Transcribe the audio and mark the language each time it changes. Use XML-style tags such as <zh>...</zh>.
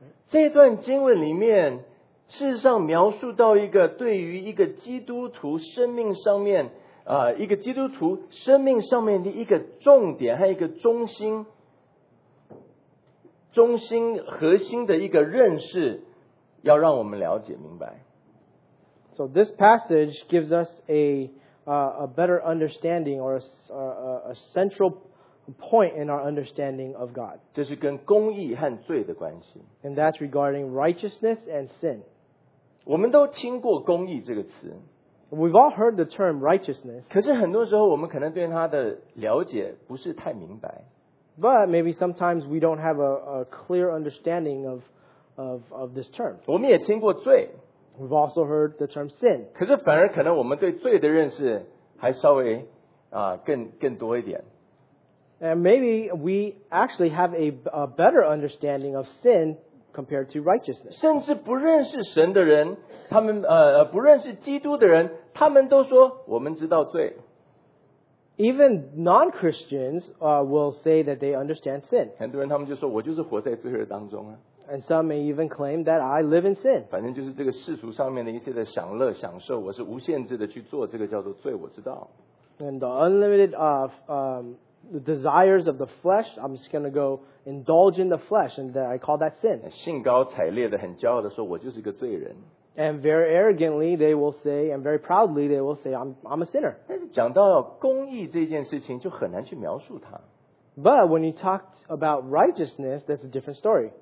<zh>这段经文里面事实上描述到一个对于一个基督徒生命上面一个基督徒生命上面的一个重点和一个中心核心的一个认识要让我们了解明白。</zh> <en>So this passage gives us a better understanding or a central point in our understanding of God.</en> <zh>这是跟公义和罪的关系。</zh> <en>And that's regarding righteousness and sin.</en> <zh>我们都听过公义这个词。</zh> <en>We've all heard the term righteousness.</en> <zh>可是很多时候我们可能对它的了解不是太明白。</zh> <en>But maybe sometimes we don't have a clear understanding of this term.</en> <zh>我们也听过罪。</zh> <en>We've also heard the term sin.</en> <zh>可是反而可能我们对罪的认识还稍微更多一点。</zh> <en>And maybe we actually have a better understanding of sin compared to righteousness.</en> <zh>甚至不认识神的人，他们不认识基督的人，他们都说我们知道罪。</zh> <en>Even non-Christians will say that they understand sin.</en> <zh>很多人他们就说我就是活在罪恶当中啊。</zh> <en>And some may even claim that I live in sin.</en> <zh>反正就是这个世俗上面的一切的享乐享受，我是无限制的去做，这个叫做罪，我知道。</zh> <en>And the unlimited the desires of the flesh, I'm just going to go indulge in the flesh, and I call that sin.</en> <zh>兴高采烈的，很骄傲的说，我就是一个罪人。</zh> <en>And very arrogantly, they will say, and very proudly, they will say, I'm a sinner.</en> <zh>但是讲到公义这件事情，就很难去描述它。</zh> <en>But when you talk about righteousness, that's a different story.</en>